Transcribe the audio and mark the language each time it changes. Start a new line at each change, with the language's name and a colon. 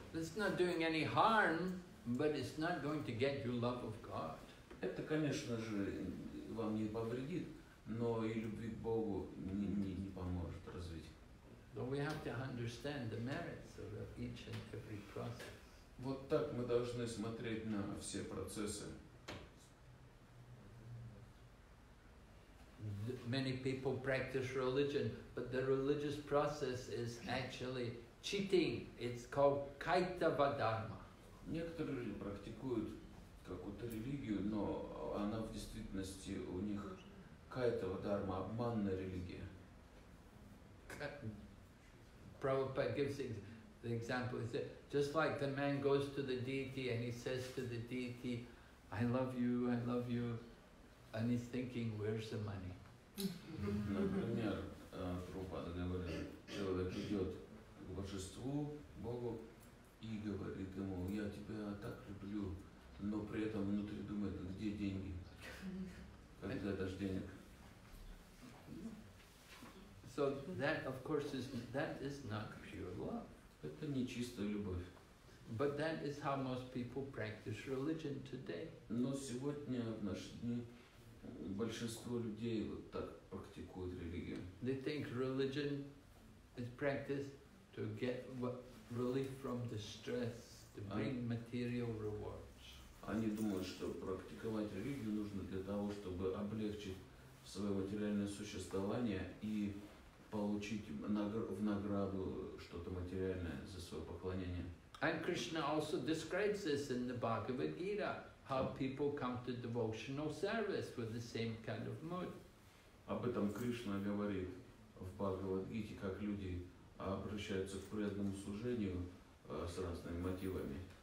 English: That's not doing any harm, but it's not going to get you love of God.
Russian: Это, конечно же, вам не повредит, но и любви к Богу не поможет развить.
English: So we have to understand the merits of each and every process.
Russian: Вот так мы должны смотреть на все процессы.
English: Many people practice religion, but the religious process is actually cheating. It's called kaitava dharma.
Russian: Некоторые люди практикуют какую-то религию, но она в действительности у них кайтава дарма, обманная религия.
English: Prabhupada gives the example. He said, just like the man goes to the deity and he says to the deity, I love you, I love you. And he's thinking, where's the money?
Russian: Например, Прабхупада говорит, человек идет к божеству, Богу, и говорит ему, я тебя так люблю, но при этом внутри думает, где деньги, когда дашь денег.
English: So that, of course, that is not pure love.
Russian: Это не чистая любовь.
English: But that is how most people practice religion today.
Russian: Но сегодня, в наши дни, большинство людей вот так практикуют религию.
English: They think religion is practiced to get relief from distress, to bring material rewards.
Russian: Они думают, что практиковать религию нужно для того, чтобы облегчить свое материальное существование и получить в награду что-то материальное за свое поклонение.
English: And Krishna also describes this in the Bhagavad Gita, how people come to devotional service with the same kind of mood.
Russian: Об этом Кришна говорит в Бхагавад Гите, как люди обращаются к преданному служению с разными мотивами.